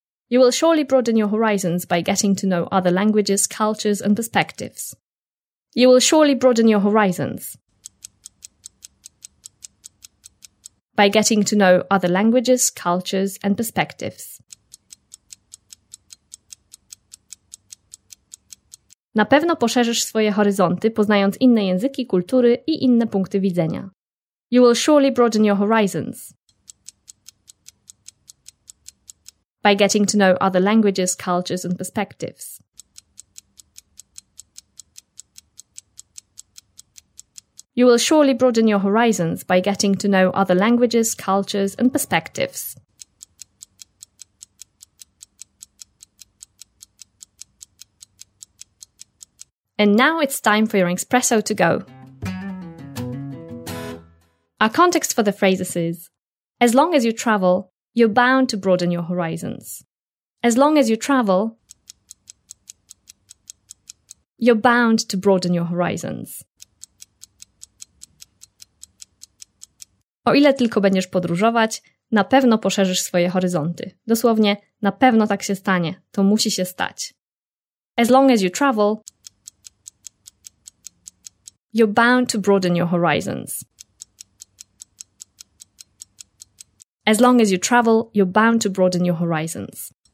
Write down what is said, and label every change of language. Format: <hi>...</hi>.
<en>You will surely broaden your horizons by getting to know other languages, cultures, and perspectives. You will surely broaden your horizons by getting to know other languages, cultures, and perspectives.</en> <pl>Na pewno poszerzysz swoje horyzonty, poznając inne języki, kultury i inne punkty widzenia.</pl> <en>You will surely broaden your horizons by getting to know other languages, cultures and perspectives. You will surely broaden your horizons by getting to know other languages, cultures and perspectives. And now it's time for your ENGSPRESSO to go. Our context for the phrases is, as long as you travel, you're bound to broaden your horizons. As long as you travel, you're bound to broaden your horizons.</en> <pl>O ile tylko będziesz podróżować, na pewno poszerzysz swoje horyzonty. Dosłownie, na pewno tak się stanie. To musi się stać.</pl> <en>As long as you travel, you're bound to broaden your horizons. As long as you travel, you're bound to broaden your horizons.</en>